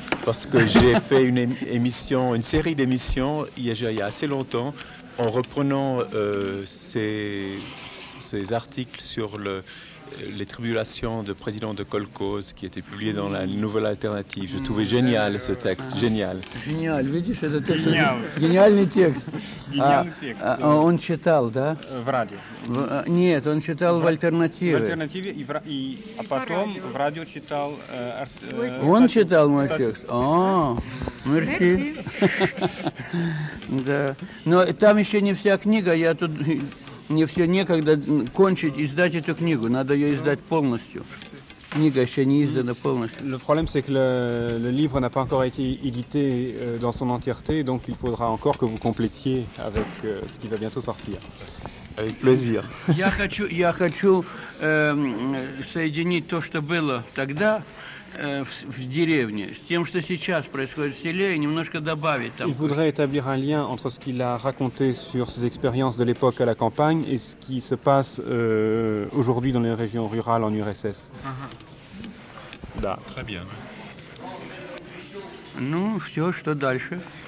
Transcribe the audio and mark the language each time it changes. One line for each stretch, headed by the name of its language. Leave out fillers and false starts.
French: Parce que j'ai fait une série d'émissions il y a assez longtemps, en reprenant ces articles sur les tribulations de président de Kolkhoz qui étaient publiés dans la Nouvelle Alternative. Je trouvais génial ce texte, génial. Génial, vous dites, c'est un texte. Génial texte.
Russian: Он читал, да? В радио. Нет, он читал в альтернативе. В альтернативе и потом в радио читал. Он читал мой текст. О, мерси. Да. Но там еще не вся книга, я тут. Мне все некогда кончить, издать эту книгу. Надо ее издать полностью. Книга еще не издана полностью.
French: Le problème, c'est que le livre n'a pas encore été édité dans son entièreté, donc il faudra encore que vous complétiez avec ce qui va bientôt sortir. Avec plaisir.
Russian: Я хочу соединить то, что было тогда в деревне, с тем, что сейчас происходит в селе, и немножко добавить там.
French: Il voudrait établir un lien entre ce qu'il a raconté sur ses expériences de l'époque à la campagne et ce qui se passe aujourd'hui dans les régions rurales en URSS.
Russian: Uh-huh. Да.
French: Très bien.
Russian: Ну, все, что дальше?